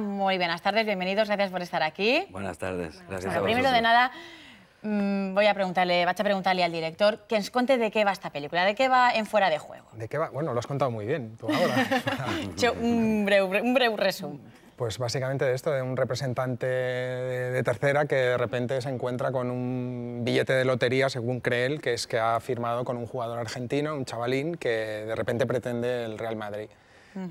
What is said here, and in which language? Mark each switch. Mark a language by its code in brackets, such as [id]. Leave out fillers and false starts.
[es] Molt buenas tardes, bienvenidos, gracias por estar aquí. Buenas tardes, gracias a vosotros. Primero de nada, [ca] vaig a preguntar-li al director que ens conte de què va esta pel·lícula, de què va En Fuera de Juego. De què va? [es] Bueno, lo has contado muy bien, tú ahora. [ca] un breu resum. [es] Pues básicamente de esto, de un representante de tercera que de repente se encuentra con un billete de lotería, según cree él, que es que ha firmado con un jugador argentino, un chavalín, que de repente pretende el Real Madrid. Uh-huh.